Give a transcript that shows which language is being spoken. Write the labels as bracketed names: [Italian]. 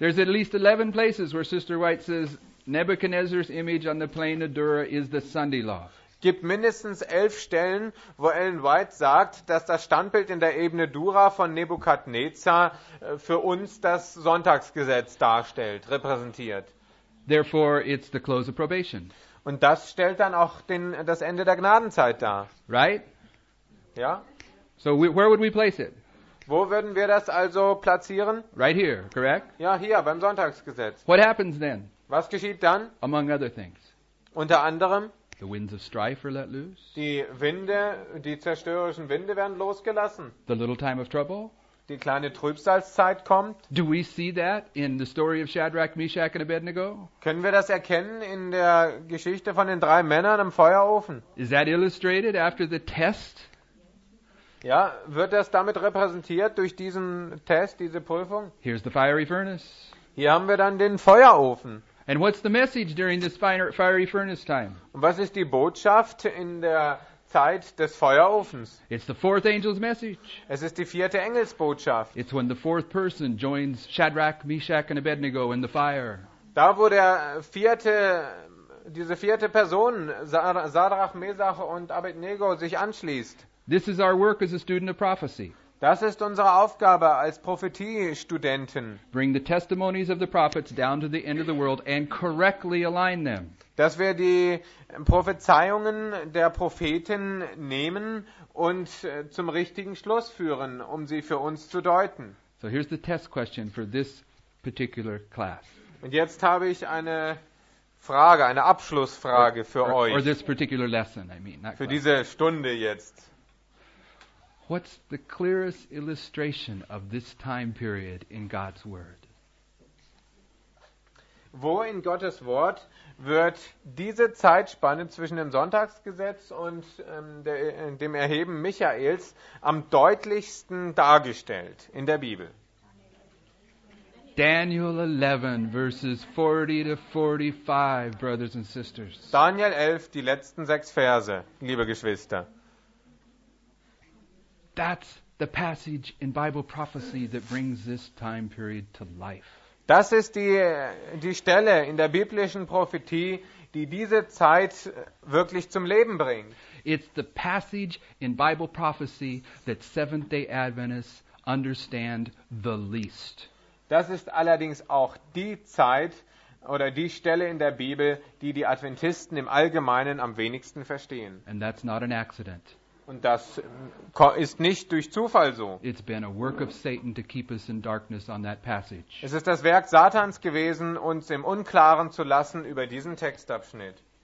[English] There's at least 11 places where Sister White says Nebuchadnezzar's image on the plain of Dura is the Sunday law. [German] Gibt mindestens 11 Stellen, wo Ellen White sagt, dass das Standbild in der Ebene Dura von Nebukadnezar für uns das Sonntagsgesetz darstellt, repräsentiert. [English] Therefore it's the close of probation. [German] Und das stellt dann auch das Ende der Gnadenzeit dar. [English] Right? [German] Ja. [English] So where would we place it? [German] Wo würden wir das also platzieren? [English] Right here, correct? [German] Ja, hier beim Sonntagsgesetz. [English] What happens then? [German] Was geschieht dann? [English] Among other things. [German] Unter anderem. [English] The winds of strife are let loose. [German] Die Winde, die zerstörerischen Winde werden losgelassen. [English] The little time of trouble. [German] Die kleine Trübsalzeit kommt. [English] Do we see that in the story of Shadrach, Meshach and Abednego? [German] Können wir das erkennen in der Geschichte von den drei Männern im Feuerofen? [English] Is that illustrated after the test? [German] Ja, wird das damit repräsentiert durch diesen Test, diese Prüfung? [English] Here's the fiery furnace. [German] Hier haben wir dann den Feuerofen. [English] And what's the message during this fiery furnace time? [German] Und was ist die Botschaft in der Zeit des Feuerofens? [English] It's the fourth angel's message. [German] Es ist die vierte Engelsbotschaft. [English] It's when the fourth person joins Shadrach, Meshach and Abednego in the fire. [German] Da wo diese vierte Person Sadrach, Mesach und Abednego sich anschließt. [English] This is our work as a student of prophecy. [German] Das ist unsere Aufgabe als Prophetiestudenten. [English] Bring the testimonies of the prophets down to the end of the world and correctly align them. [German] Dass wir die Prophezeiungen der Propheten nehmen und zum richtigen Schluss führen, um sie für uns zu deuten. [English] So here's the test question for this particular class. [German] Und jetzt habe ich eine Frage, eine Abschlussfrage für euch. [English] For this particular lesson, I mean. [German] Für diese Stunde jetzt. [English] What's the clearest illustration of this time period in God's Word? [German] Wo in Gottes Wort wird diese Zeitspanne zwischen dem Sonntagsgesetz und dem Erheben Michaels am deutlichsten dargestellt in der Bibel? [English] Daniel 11, verses 40 to 45, brothers and sisters. [German] Daniel 11, die letzten sechs Verse, liebe Geschwister. [English] That's the passage in Bible prophecy that brings this time period to life. [German] Das ist die Stelle in der biblischen Prophetie, die diese Zeit wirklich zum Leben bringt. [English] It's the passage in Bible prophecy that Seventh-day Adventists understand the least. [German] Das ist allerdings auch die Zeit oder die Stelle in der Bibel, die Adventisten im Allgemeinen am wenigsten verstehen. [English] And that's not an accident. [German] Und das ist nicht durch Zufall so. Es ist das Werk Satans gewesen, uns im Unklaren zu lassen über diesen Textabschnitt.